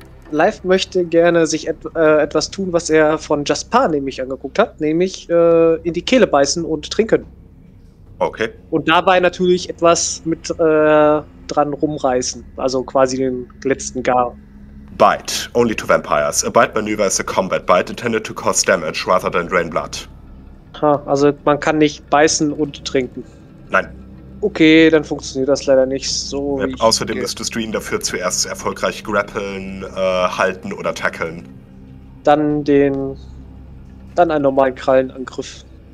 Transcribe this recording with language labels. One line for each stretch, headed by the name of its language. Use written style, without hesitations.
German: Live möchte gerne sich etwas tun, was er von Jasper nämlich angeguckt hat, nämlich in die Kehle beißen und trinken. Okay. Und dabei natürlich etwas mit dran rumreißen, also quasi den letzten Gar.
English: Bite, only to vampires. A bite maneuver is a combat bite intended to cause damage rather than drain blood.
German: Ha, also man kann nicht beißen und trinken. Nein. Okay, dann funktioniert das leider nicht so. Yep, außerdem müsstest du ihn dafür zuerst erfolgreich grappeln, halten oder tackeln. Dann einen normalen Krallenangriff.